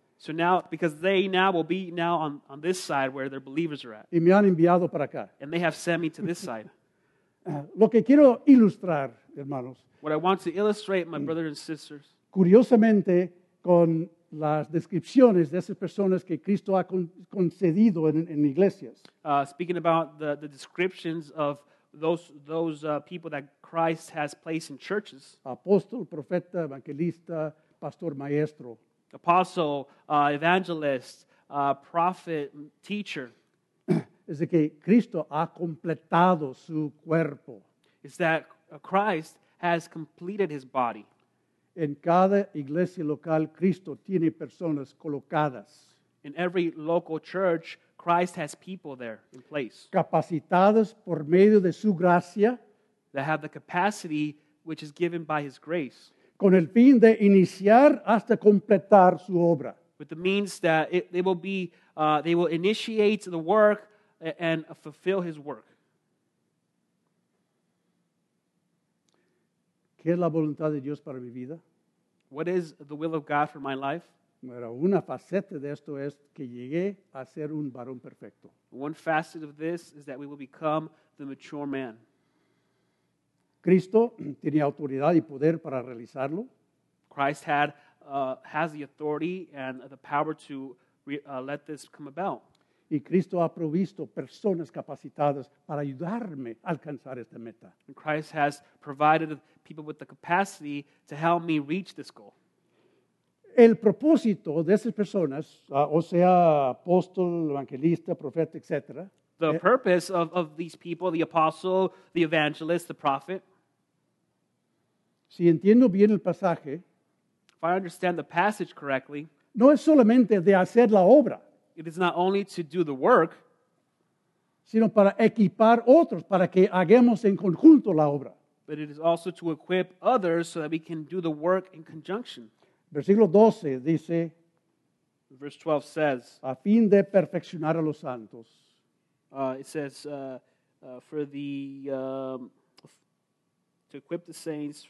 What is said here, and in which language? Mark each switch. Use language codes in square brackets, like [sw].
[en] So now, because they now will be now on this side where their believers are at. [es] Y me han enviado para acá. [en] And they have sent me to this side. [es] Lo que quiero ilustrar, hermanos. [en] What I want to illustrate, my brothers and sisters. [es] Curiosamente, con las descripciones de esas personas que Cristo ha concedido en iglesias. [en] Speaking about the descriptions of those people that Christ has placed in churches. [es] Apóstol, profeta, evangelista, pastor, maestro. [en] Apostle, evangelist, prophet, teacher. [es] Es de que Cristo ha completado su cuerpo. [en] It's that Christ has completed his body. [es] En cada iglesia local, Cristo tiene personas colocadas. [en] In every local church, Christ has people there in place. [es] Capacitadas por medio de su gracia. [en] That have the capacity which is given by his grace. [es] Con el fin de iniciar hasta completar su obra. [en] With the means that they will initiate the work and fulfill his work. [es] ¿Qué es la voluntad de Dios para mi vida? [en] What is the will of God for my life? [es] Bueno, una faceta de esto es que llegué a ser un varón perfecto. [en] One facet of this is that we will become the mature man. [es] Cristo tenía autoridad y poder para realizarlo. [en] Christ had has the authority and the power to let this come about. [es] Y Cristo ha provisto personas capacitadas para ayudarme a alcanzar esta meta. [en] And Christ has provided people with the capacity to help me reach this goal. [es] El propósito de esas personas, o sea, apóstol, evangelista, profeta, etc. [en] The purpose of these people, the apostle, the evangelist, the prophet. [es] Si entiendo bien el pasaje, [en] if I understand the passage correctly, [es] no es solamente de hacer la obra, [en] it is not only to do the work, [es] sino para equipar otros para que hagamos en conjunto la obra. [en] But it is also to equip others so that we can do the work in conjunction. [es] Versículo 12 dice, [en] verse 12 says, [es] a fin de perfeccionar a los santos. [en] It says, for the... to equip the saints.